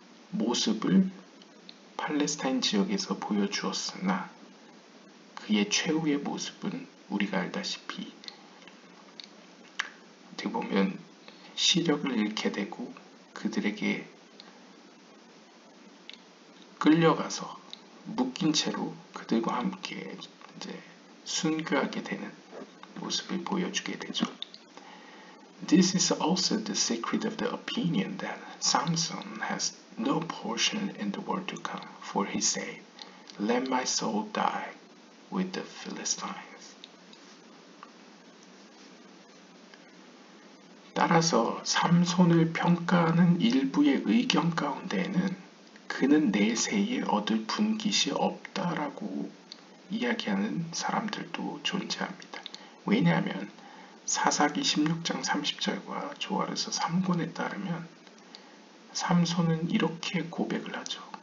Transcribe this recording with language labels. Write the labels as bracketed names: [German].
[Korean] 모습을 팔레스타인 지역에서 보여주었으나 그의 최후의 모습은 우리가 알다시피 어떻게 보면 시력을 잃게 되고 그들에게 끌려가서 묶인 채로 그들과 함께 이제 순교하게 되는 모습을 보여주게 되죠. [English] This is also the secret of the opinion that Samson has no portion in the world to come, for he said, Let my soul die with the Philistines. [Korean] 따라서 삼손을 평가하는 일부의 의견 가운데는 그는 내세에 얻을 분깃이 없다라고 이야기하는 사람들도 존재합니다. 왜냐하면 사사기 16장 30절과 조화에서 3권에 따르면 삼손은 이렇게 고백을 하죠.